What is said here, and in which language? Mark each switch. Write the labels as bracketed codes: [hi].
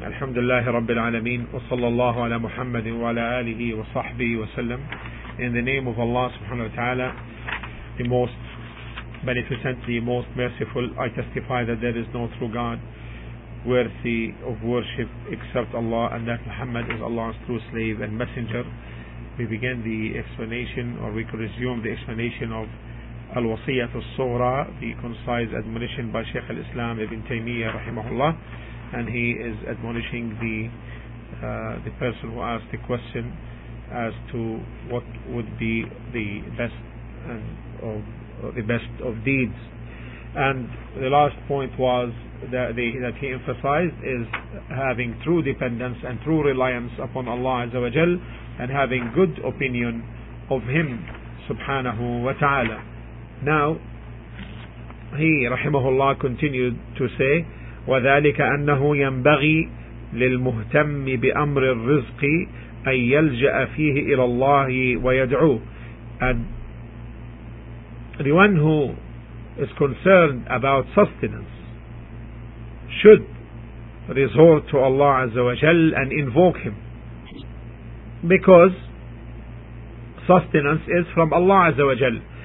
[ar] الحمد لله رب العالمين وصلى الله على محمد وعلى آله وصحبه وسلم. [en] In the name of Allah subhanahu wa ta'ala, the most beneficent, the most merciful, I testify that there is no true God worthy of worship except Allah, and that Muhammad is Allah's true slave and messenger. We begin the explanation, or we could resume the explanation of Al-Wasiyyat al-Sughra, the concise admonition by Shaykh al-Islam Ibn Taymiyyah rahimahullah. And he is admonishing the person who asked the question as to what would be the best of deeds. And the last point was that he emphasized is having true dependence and true reliance upon Allah Azza wa Jal, and having good opinion of Him subhanahu wa ta'ala. Now, he rahimahullah continued to say, [ar] وذلك أنه ينبغي للمهتم بأمر الرزق أن يلجأ فيه إلى الله ويدعوه. [en] And the one who is concerned about sustenance should resort to Allah Azza wa Jal and invoke Him, because sustenance is from Allah Azza wa Jal.